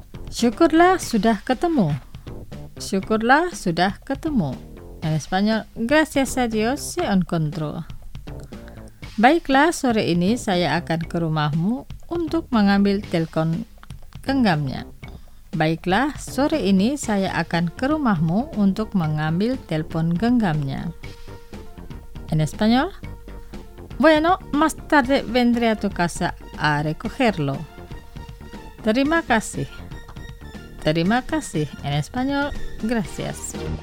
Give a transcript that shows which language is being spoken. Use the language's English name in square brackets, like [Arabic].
[Indonesian] Syukurlah sudah ketemu. Syukurlah sudah ketemu. [Spanish] En español, gracias a Dios se encontró. [Indonesian] Baiklah, sore ini saya akan ke rumahmu untuk mengambil telepon genggamnya. Baiklah, sore ini saya akan ke rumahmu untuk mengambil telepon genggamnya. [Spanish] En español. Bueno, más tarde vendré a tu casa a recogerlo. [Indonesian] Terima kasih. Terima kasih. [Spanish] En español, gracias.